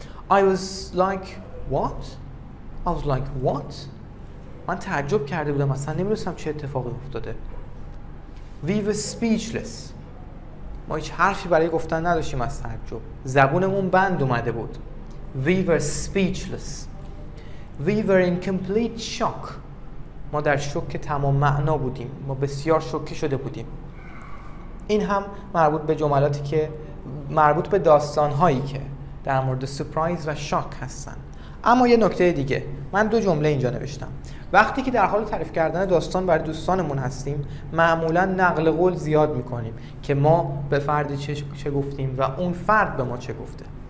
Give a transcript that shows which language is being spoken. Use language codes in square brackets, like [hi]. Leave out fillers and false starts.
[en] I was like what? I was like what? [fa] من تعجب کرده بودم، اصلا نمیدونستم چه اتفاقی افتاده. [en] We were speechless. [fa] ما هیچ حرفی برای گفتن نداشتیم از تعجب. زبونمون بند اومده بود. [en] We were speechless. We were in complete shock. [fa] ما در شوک تمام معنا بودیم. ما بسیار شوکه شده بودیم. این هم مربوط به جملاتی که مربوط به داستان‌هایی که در مورد سورپرایز و شاک هستن. اما یه نکته دیگه، من دو جمله اینجا نوشتم. وقتی که در حال تعریف کردن داستان برای دوستانمون هستیم، معمولاً نقل قول زیاد می‌کنیم که ما به فرد چه گفتیم و اون فرد به ما چه گفته.